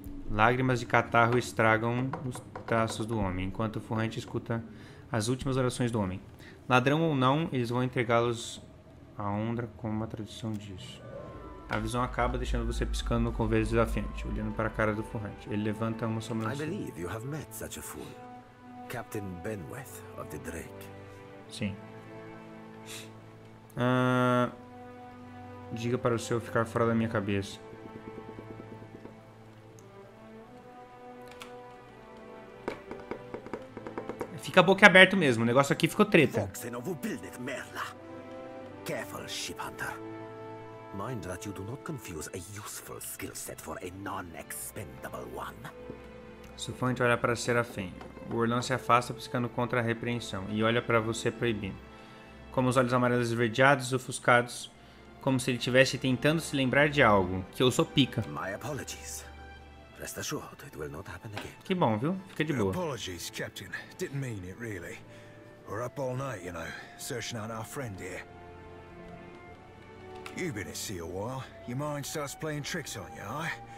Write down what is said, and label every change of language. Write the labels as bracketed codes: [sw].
[pt] Lágrimas de catarro estragam os traços do homem enquanto Furrante escuta as últimas orações do homem. Ladrão ou não, eles vão entregá-los à Ondra como uma tradição diz. A visão acaba deixando você piscando no convés desafiante, olhando para a cara do Furrante. Ele levanta uma sobrancelha. [en] I believe you have met such a fool. Captain Benweth of the Drake. [pt] Sim. Diga para o seu ficar fora da minha cabeça. Fica a boca aberta mesmo, o negócio aqui ficou treta. Você não vai construir merda. [en] Careful, Ship Hunter. Mind that you do not confuse a useful skill set for a non-expendable one. [pt] Sufante olha para Serafim. O Orlão se afasta, piscando contra a repreensão, e olha para você proibindo. Como os olhos amarelos esverdeados, ofuscados, como se ele estivesse tentando se lembrar de algo, que eu sou pica. [en] My apologies. Rest assured, it will not happen again. [pt] Que bom, viu? Fica de boa. [en] Apologies, Captain. Didn't mean it, really. We're up all night, you know, searching out our friend here. You've been at sea a while. Your mind starts playing tricks on you, aye?